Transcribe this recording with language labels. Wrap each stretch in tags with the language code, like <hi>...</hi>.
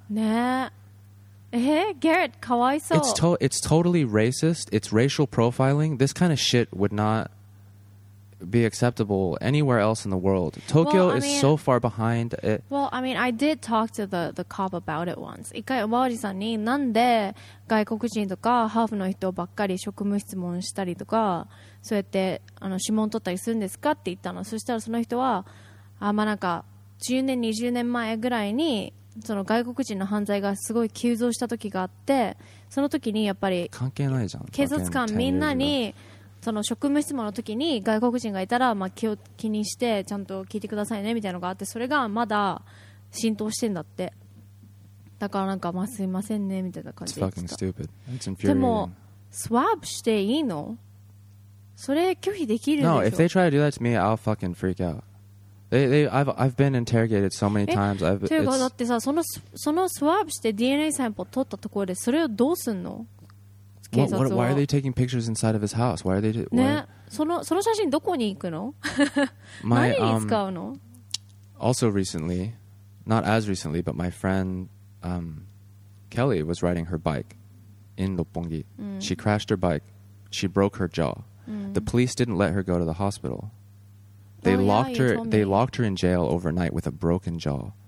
<ja>Nah. Eh? Garrett, かわいそう.</ja> <en>It's totally racist. It's racial profiling. This kind of shit would not be acceptable anywhere else in the world. Tokyo is so far behind. I did talk to the cop about it once.</en> <ja>一回おまわりさんになんで外国人とかハーフの人ばっかり職務質問したりとかそうやってあの指紋取ったりするんですかって言ったの。そしたらその人はあまあなんか10年20年前ぐらいにその外国人の犯罪がすごい急増した時があってその時にやっぱり関係ないじゃん警察官みんなにその職務質問の時に外国人がいたらまあ気にしてちゃんと聞いてくださいねみたいなのがあってそれがまだ浸透してんだってだからなんかまあすいませんねみたいな感じで</ja> <en>It's fucking stupid. It's infuriating.</en> <ja>でもスワープしていいのそれ拒否できるでしょ</ja> <en>No, if they try to do that to me, I'll fucking freak out. I've been interrogated so many times.</en> <ja>というかだってさそのスワープして DNA サンプル取ったところでそれをどうすんの</ja> <en>Why are they taking pictures inside of his house? Why are they?</en> <ja>その写真どこに行くの? 何に使うの?</ja> <en>Also recently, not as recently, but my friend Kelly was riding her bike in Roppongi. Mm. She crashed her bike. She broke her jaw. Mm. The police didn't let her go to the hospital. They locked her in jail overnight with a broken jaw.</en>